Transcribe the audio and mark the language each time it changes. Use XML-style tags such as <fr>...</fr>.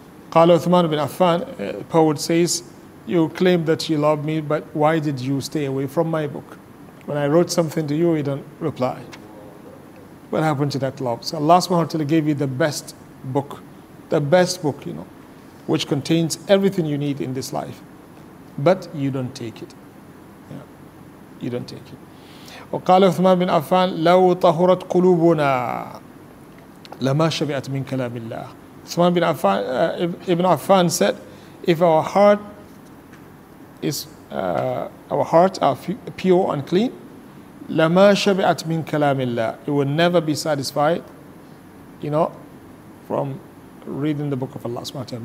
<en>Qala Uthman ibn Affan, poet says, you claim that you love me, but why did you stay away from my book? When I wrote something to you, you don't reply. What happened to that love? So Allah subhanahu wa ta'ala gave you the best book. The best book, you know, which contains everything you need in this life. But you don't take it. Yeah. You don't take it.</en> <ar>وقال عثمان بن عفان لو طهرت قلوبنا لما شبعت من كلام الله.</ar> <en>عثمان بن عفان ابن عفان said, if our heart is our heart are pure and clean,</en> <ar>لما شبعت من كلام الله,</ar> <en>it will never be satisfied, you know, from reading the book of Allah subhanahu wa ta'ala.</en>